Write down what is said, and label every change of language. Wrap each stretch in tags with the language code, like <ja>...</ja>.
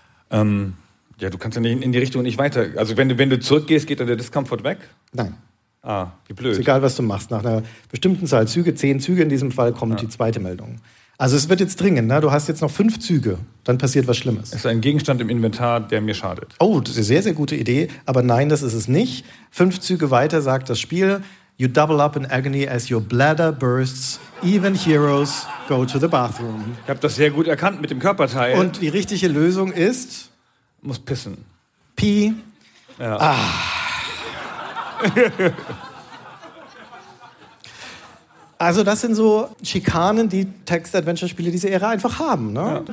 <de>Ja, du kannst ja nicht in die Richtung nicht weiter. Also wenn du zurückgehst, geht dann der Discomfort weg? Nein. Ah, wie blöd. Ist egal, was du machst. Nach einer bestimmten Zahl Züge, 10 Züge in diesem Fall, kommt die zweite Meldung. Also es wird jetzt dringend. Ne? Du hast jetzt noch 5 Züge, dann passiert was Schlimmes. Es ist ein Gegenstand im Inventar, der mir schadet. Oh, das ist eine sehr, sehr gute Idee. Aber nein, das ist es nicht. 5 Züge weiter, sagt das Spiel.</de> <en>You double up in agony as your bladder bursts. Even heroes go to the bathroom.</en> <de>Ich habe das sehr gut erkannt mit dem Körperteil. Und die richtige Lösung ist? Muss pissen.</de> <en>Pee.</en> <de>Ja. Ah. Also das sind so Schikanen, die Text-Adventure-Spiele diese Ära einfach haben. Ne? Ja.</de>